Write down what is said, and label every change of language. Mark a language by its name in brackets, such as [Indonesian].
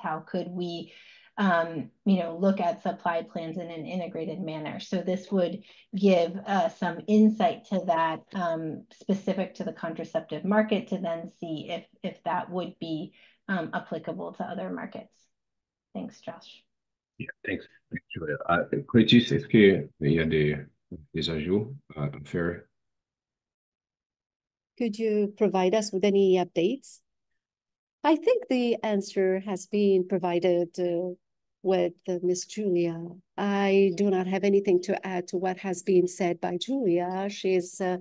[English] How could we look at supply plans in an integrated manner? So this would give some insight to that, specific to the contraceptive market, to then see if that would be applicable to other markets. Thanks, Josh. Yeah, thanks. [French] Curtis, est-ce qu'il y a des ajouts à faire? [English] Could you provide us with any updates? I think the answer has been provided with Ms. Julia. I do not have anything to add to what has been said by Julia. She is...